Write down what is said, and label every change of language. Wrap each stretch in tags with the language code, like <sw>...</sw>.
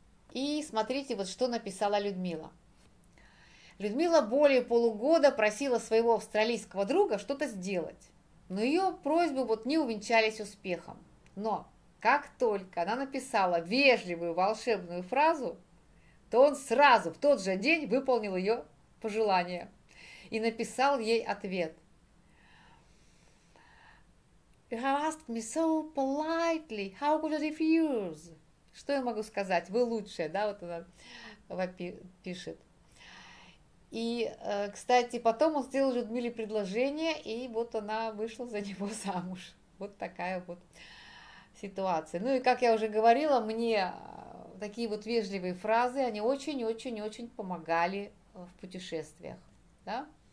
<ru>И смотрите, вот что написала Людмила. Людмила более полугода просила своего австралийского друга что-то сделать. Но ее просьбы вот не увенчались успехом. Но как только она написала вежливую волшебную фразу, то он сразу в тот же день выполнил ее пожелание и написал ей ответ.</ru> <en>You have asked me so politely, how could I refuse?</en> <ru>Что я могу сказать? Вы лучшие, да, вот она пишет. И, кстати, потом он сделал Людмиле предложение, и вот она вышла за него замуж. Вот такая вот ситуация. Ну и, как я уже говорила, мне такие вот вежливые фразы, они очень-очень-очень помогали в путешествиях, да?</ru>